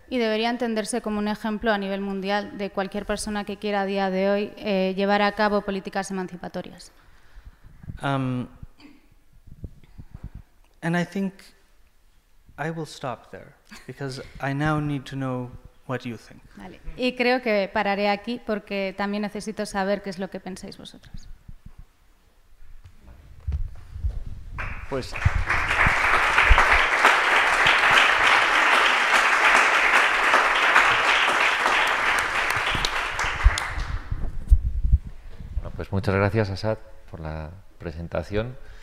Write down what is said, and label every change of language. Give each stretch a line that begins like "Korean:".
Spanish: Y debería entenderse como un ejemplo a nivel mundial de cualquier persona que quiera a día de hoy llevar a cabo políticas emancipatorias.
English: And I think I will stop there because I now need to know what you think. Vale.
Spanish: Y creo que pararé aquí porque también necesito saber qué es lo que pensáis vosotros. Pues muchas gracias, Asad, por la presentación.